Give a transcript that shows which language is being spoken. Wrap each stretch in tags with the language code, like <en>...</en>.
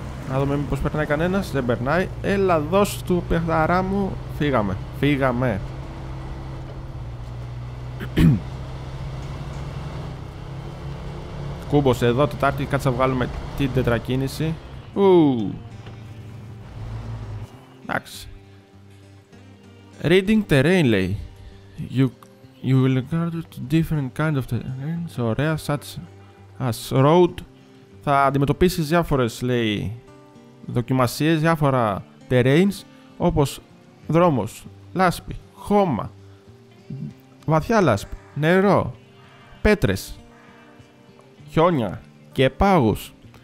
<el>Να δούμε μήπως περνάει κανένας. Δεν περνάει. Έλα δώσ' του παιχταρά μου. Φύγαμε. Φύγαμε. Κούμπος εδώ, Τετάρτη, κάτσε να βγάλουμε την τετρακίνηση. Εντάξει.</el> <en>Reading terrain,</en> <el>λέει.</el> <en>You will encounter to different kind of terrain.</en> <el>Ωραία,</el> <en>such as road.</en> <el>Θα αντιμετωπίσεις διάφορες, λέει, δοκιμασίες, διάφορα terrains, όπως δρόμος, λάσπη, χώμα, βαθιά λάσπη, νερό, πέτρες, χιόνια και πάγους.</el>